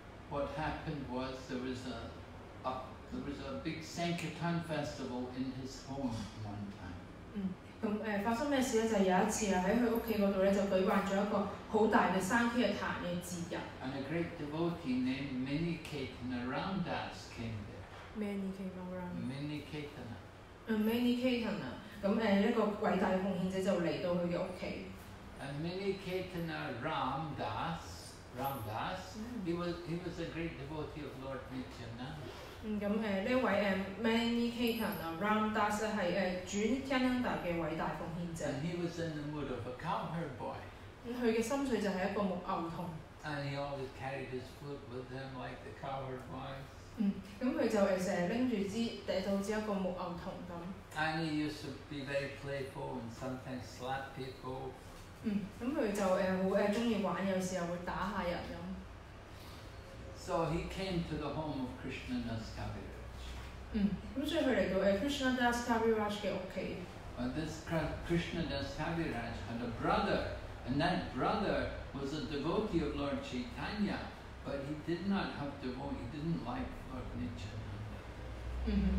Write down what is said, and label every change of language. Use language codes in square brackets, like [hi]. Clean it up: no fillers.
[en] What happened was there was a big Sankirtan festival in his home one time. [zh] 發生什麼事呢？就有一次在他家裡呢，就舉辦了一個很大的Sankirtan的節日。 [en] And a great devotee named Miniketana Ramdas came there. Miniketana. Miniketana. [zh] 一個偉大的奉獻者就來到他的家。 [en] And Miniketana Ramdas, he was a great devotee of Lord Nityananda. [zh] 這位 Maniketana Ramdas 是主Nityananda的偉大奉獻者。 [en] And he was in the mood of a cowherd boy. [zh] 他的心緒就是一個牧牛童。 [en] And he always carried his food with him like the cowherd boys. [zh] 他就經常帶著一個牧牛童。 [en] And he used to be very playful and sometimes slap people. [zh] 他就很喜歡玩，有時候會打下人。 [en] So he came to the home of Krishna Das Kaviraj. [zh] 所以他來到Krishna Das Kaviraj 的家。 [en] But this Krishna Das Kaviraj had a brother, and that brother was a devotee of Lord Chaitanya, but he did not have devotee, he didn't like Lord Nityananda.